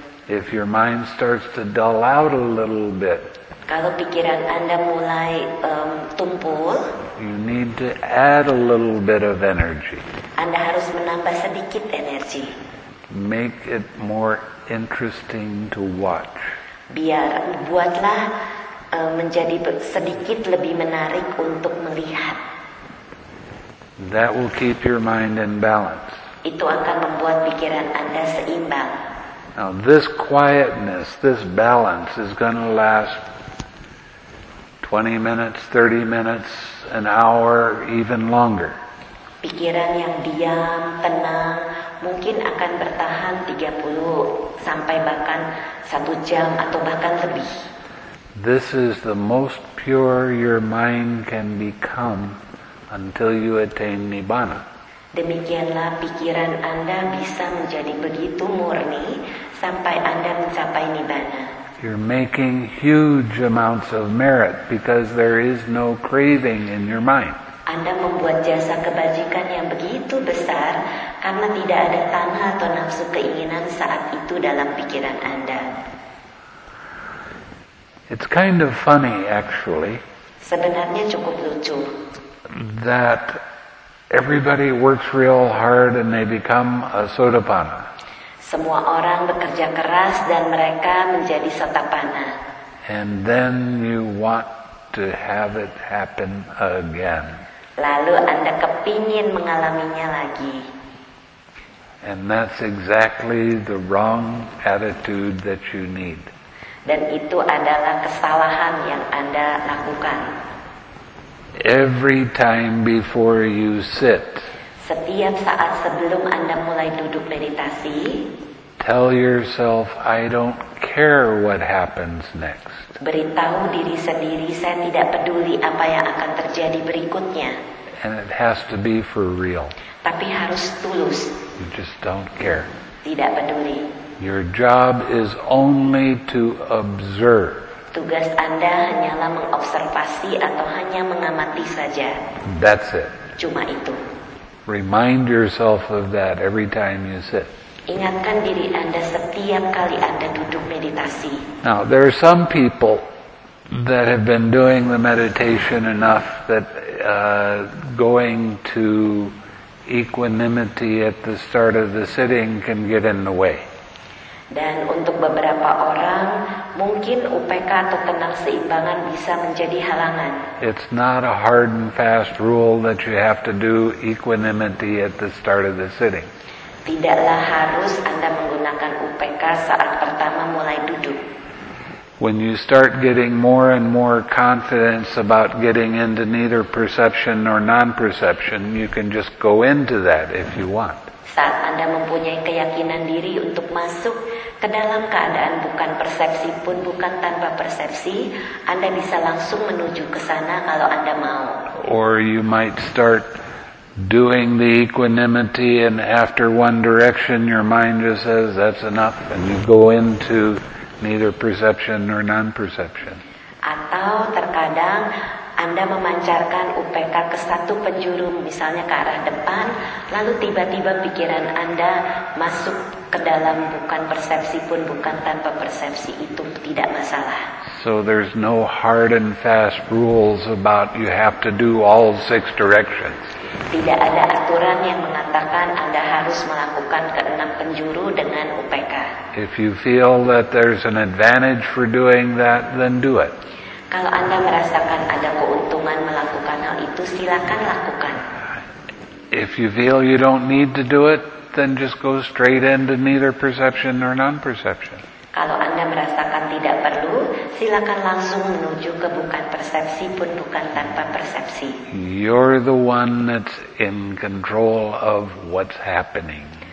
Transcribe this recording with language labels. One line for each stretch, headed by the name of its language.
English: If your mind starts to dull out a little bit,
Indonesian: kalau pikiran Anda mulai tumpul,
English: you need to add a little bit of energy.
Indonesian: Anda harus menambah sedikit energi.
English: Make it more interesting to watch.
Indonesian: Biar buatlah menjadi sedikit lebih menarik untuk melihat.
English: That will keep your mind in balance.
Indonesian: Itu akan membuat pikiran Anda seimbang.
English: Now this quietness, this balance is going to last 20 minutes, 30 minutes, an hour, even longer.
Indonesian: Pikiran yang diam, tenang, mungkin akan bertahan 30 sampai bahkan 1 jam atau bahkan lebih.
English: This is the most pure your mind can become until you attain Nibbana.
Indonesian: Demikianlah pikiran Anda bisa menjadi begitu murni sampai Anda mencapai Nibbana.
English: You're making huge amounts of merit because there is no craving in your mind.
Indonesian: Anda membuat jasa kebajikan yang begitu besar karena tidak ada tanah atau nafsu keinginan saat itu dalam pikiran Anda.
English: It's kind of funny actually.
Indonesian: Sebenarnya cukup lucu.
English: That everybody works real hard and they become a sotapanna.
Indonesian: Semua orang bekerja keras dan mereka menjadi sotapanna.
English: And then you want to have it happen again.
Indonesian: Lalu Anda kepingin mengalaminya lagi.
English: And that's exactly the wrong attitude that you need.
Indonesian: Dan itu adalah kesalahan yang Anda lakukan.
English: Every time before you sit,
Indonesian: setiap saat sebelum Anda mulai duduk meditasi,
English: tell yourself, I don't care what happens next.
Indonesian: Beritahu diri sendiri, saya tidak peduli apa yang akan terjadi berikutnya.
English: And it has to be for real.
Indonesian: Tapi harus tulus.
English: You just don't care.
Indonesian: Tidak peduli.
English: Your job is only to observe.
Indonesian: Tugas Anda hanyalah mengobservasi atau hanya mengamati saja.
English: That's it.
Indonesian: Cuma itu.
English: Remind yourself of that every time you sit.
Indonesian: Ingatkan diri Anda setiap kali Anda duduk meditasi.
English: Now, there are some people that have been doing the meditation enough that going to equanimity at the start of the sitting can get in the way.
Indonesian: Dan untuk beberapa orang, mungkin UPK atau tenang seimbangan bisa menjadi halangan.
English: It's not a hard and fast rule that you have to do equanimity at the start of the sitting.
Indonesian: Tidaklah harus Anda menggunakan UPK saat pertama mulai duduk.
English: When you start getting more and more confidence about getting into neither perception nor non-perception, you can just go into that if you want.
Indonesian: Saat Anda mempunyai keyakinan diri untuk masuk ke dalam keadaan bukan persepsi pun bukan tanpa persepsi, Anda bisa langsung menuju ke sana kalau Anda mau.
English: Or you might start doing the equanimity and after one direction your mind just says that's enough and you go into neither perception nor non-perception.
Indonesian: Atau terkadang Anda memancarkan UPK ke satu penjuru, misalnya ke arah depan, lalu tiba-tiba pikiran Anda masuk ke dalam bukan persepsi pun bukan tanpa persepsi, itu tidak masalah.
English: So there's no hard and fast rules about you have to do all six directions.
Indonesian: Tidak ada aturan yang mengatakan Anda harus melakukan keenam penjuru dengan UPK.
English: If you feel that there's an advantage for doing that, then do it.
Indonesian: Kalau Anda merasakan ada keuntungan melakukan hal itu, silakan lakukan.
English: If you feel you don't need to do it, then just go straight into neither perception nor non-perception.
Indonesian: Kalau Anda merasakan tidak perlu, silakan langsung menuju ke bukan persepsi pun bukan tanpa persepsi.
English: You're the one that's in control of what's happening.